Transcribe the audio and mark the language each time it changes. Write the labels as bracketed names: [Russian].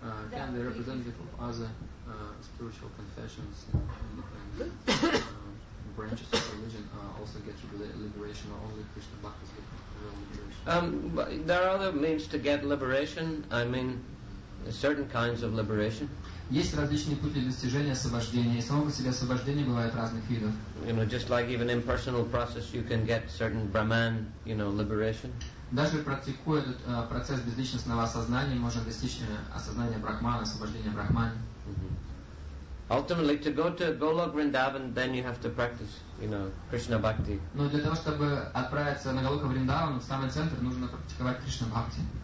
[English] Can the representative of other spiritual confessions and branches of religion also get liberation, or only Krishna Bhaktis get liberation? There are other means to get liberation. I mean, certain kinds of liberation. [Russian] Есть различные пути достижения освобождения. И само по себе освобождение бывает разных видов. [English] You know, just like even impersonal process, you can get certain Brahman, you know, liberation. [Russian] Даже практикуя этот процесс безличностного осознания, можно достичь осознания Брахмана, освобождения Брахмана. [English] Ultimately, to go to Golok Vrindavan, then you have to practice, you know, Krishna Bhakti. [Russian] Но для того, чтобы отправиться на Голока Вриндаван, в самый центр, нужно практиковать Кришна Бхакти.